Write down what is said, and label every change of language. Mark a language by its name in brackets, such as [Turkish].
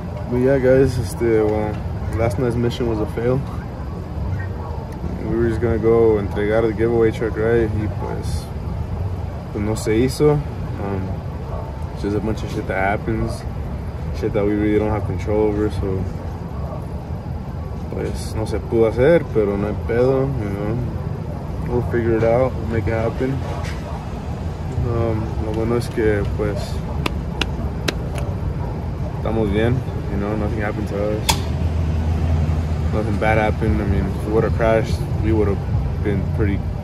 [English] But yeah, guys, last night's mission was a fail. We were just gonna go entregar the giveaway truck, right? [Spanish] No se hizo. [English] It's just a bunch of shit that happens. Shit that we really don't have control over, so. [Spanish] Pues, no se pudo hacer, pero no hay pedo, [English] you know. We'll figure it out, we'll make it happen. [Spanish] Lo bueno es que, pues. Estamos bien, [English] you know, nothing happened to us. Nothing bad happened. I mean, if we would have crashed, we would have been pretty.